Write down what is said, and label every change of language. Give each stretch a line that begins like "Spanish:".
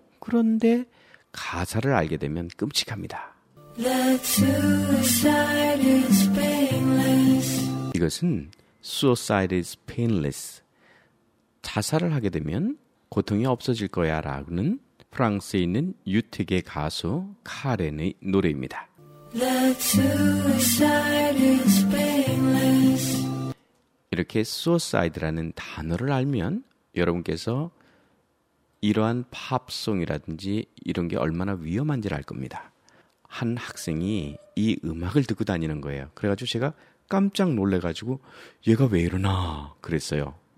Korean: 그런데 가사를 알게 되면 끔찍합니다.
English: That suicide is painless.
Korean: 이것은
English: suicide is painless.
Korean: 자살을 하게 되면 고통이 없어질 거야 라는 프랑스에 있는 유택의 가수 카렌의 노래입니다.
English: That suicide is painless.
Korean: 이렇게 suicide라는 단어를 알면 여러분께서 이러한 팝송이라든지 이런 게 얼마나 위험한지를 알 겁니다. 한 학생이 이 음악을 듣고 다니는 거예요. 그래가지고 제가 깜짝 놀래가지고 얘가 왜 이러나 그랬어요.